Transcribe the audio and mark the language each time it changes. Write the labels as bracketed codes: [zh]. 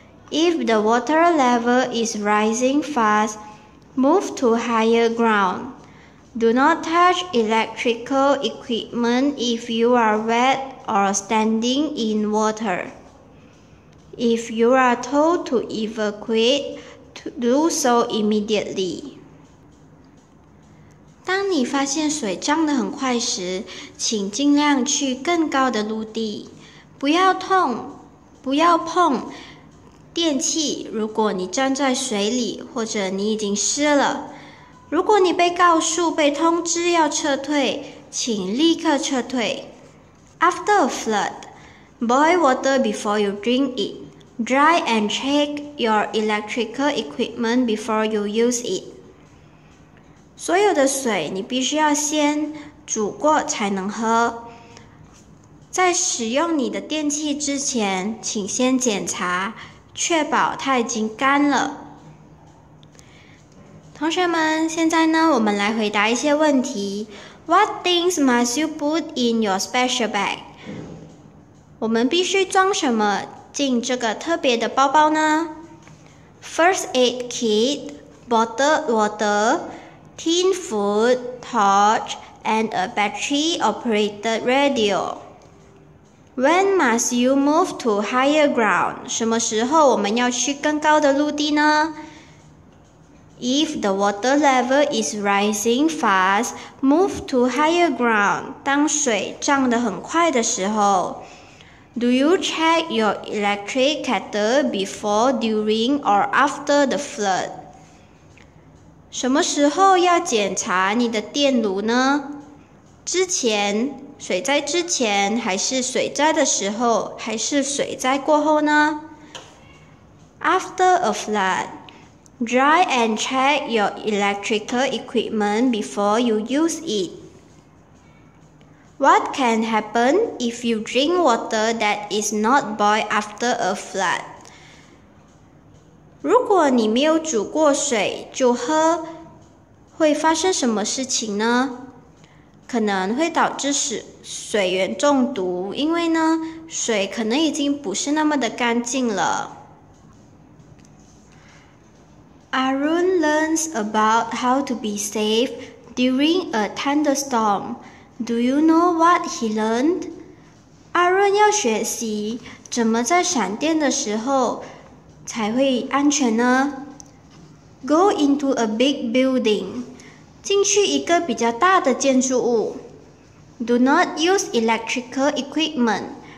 [en] If the water level is rising fast, move to higher ground. Do not touch electrical equipment if you are wet or standing in water. If you are told to evacuate, do so immediately. [zh] 当你发现水涨得很快时，请尽量去更高的陆地，不要碰电器。如果你站在水里，或者你已经湿了，如果你被告诉、被通知要撤退，请立刻撤退。 [en] After a flood, boil water before you drink it. Dry and check your electrical equipment before you use it. [zh] 所有的水你必须要先煮过才能喝。在使用你的电器之前，请先检查，确保它已经干了。同学们，现在呢，我们来回答一些问题。 [en] What things must you put in your special bag? [zh] 我们必须装什么进这个特别的包包呢？ [en] First aid kit, bottled water,Tin food, torch, and a battery-operated radio. When must you move to higher ground? [zh] 什么时候我们要去更高的陆地呢？ [en] If the water level is rising fast, move to higher ground. [zh] 当水涨得很快的时候。 [en] Do you check your electric kettle before, during, or after the flood? [zh] 什么时候要检查你的电炉呢？之前，水灾之前，还是水灾的时候，还是水灾过后呢？ [en] After a flood, dry and check your electrical equipment before you use it. What can happen if you drink water that is not boiled after a flood? [zh] 如果你没有煮过水就喝，会发生什么事情呢？可能会导致水源中毒，因为呢，水可能已经不是那么的干净了。 [en] Arun learns about how to be safe during a thunderstorm. Do you know what he learned? [zh] Arun 要学习怎么在闪电的时候才会安全呢。 [en] Go into a big building. [zh] 进去一个比较大的建筑物。 [en] Do not use electrical equipment.